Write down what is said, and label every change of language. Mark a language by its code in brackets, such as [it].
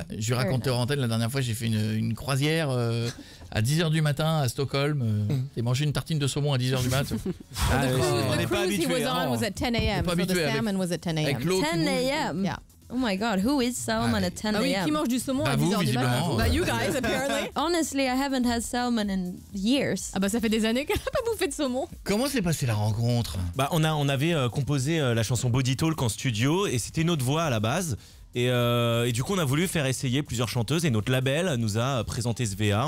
[fr] Je lui racontais en antenne la dernière fois, j'ai fait une croisière à 10h du matin à Stockholm. J'ai mangé une tartine de saumon à 10h du mat. [en] The cruise he was on was at 10 a.m. [fr] Avec l'eau. [en] 10 a.m. Yeah. Oh my god, who is salmon at 10 a.m.? [fr] Ah oui, qui mange du saumon à 10h du matin? Bah, [en] you guys, apparently. Honestly, I haven't had salmon in years. [fr] Ah bah, ça fait des années qu'elle n'a pas bouffé de saumon. Comment s'est passée la rencontre? Bah, on avait composé la chanson Body Talk en studio et c'était notre voix à la base. Et du coup, on a voulu faire essayer plusieurs chanteuses et notre label nous a présenté SVA.